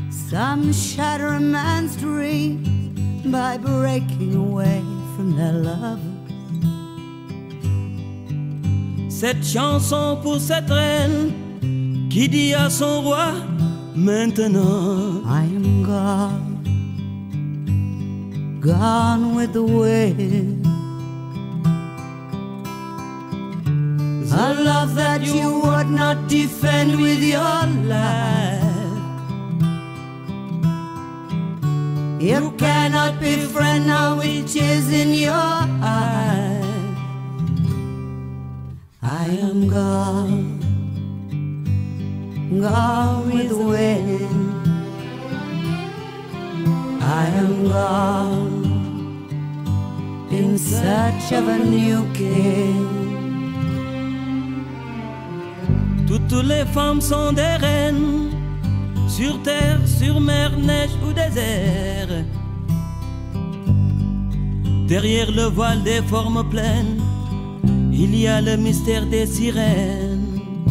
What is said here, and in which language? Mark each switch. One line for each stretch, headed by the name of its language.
English: Some shatter a man's dreams by breaking away from their lovers.
French: Cette chanson pour cette reine qui dit à son roi maintenant,
English: I am gone, gone with the wind. A love that you would not defend with your life. You cannot befriend a witch in your eye. I am gone, gone with the wind. I am gone in search of a new king.
French: Toutes les femmes sont des reines, sur terre, sur mer, neige ou désert. Derrière le voile des formes pleines, il y a le mystère des sirènes.